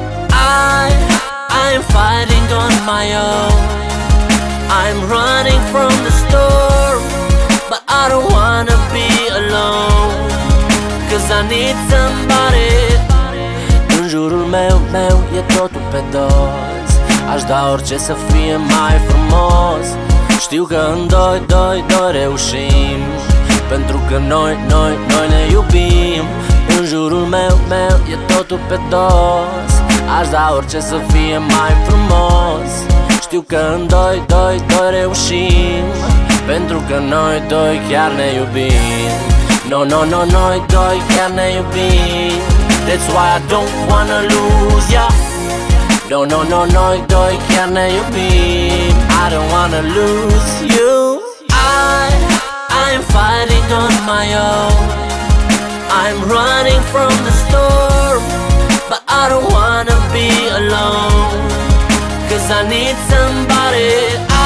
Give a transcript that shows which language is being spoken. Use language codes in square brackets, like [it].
[en] I'm fighting on my own. I'm running from the storm, but I don't wanna be alone, cause I need somebody. [ro] Jurul meu e totul pe dos. Aș da orice să fie mai frumos. Știu că în doi reușim, pentru că noi ne iubim. În jurul meu e totul pe dos. Aș da orice să fie mai frumos. Știu că în doi reușim, pentru că noi doi chiar ne iubim. No, noi doi chiar ne iubim. [en] That's why I don't wanna lose ya. [ro] No, noi doi chiar ne iubim. [en] I don't wanna lose you. I'm fighting on my own. I'm running from the storm, but I don't wanna be alone, cause I need somebody.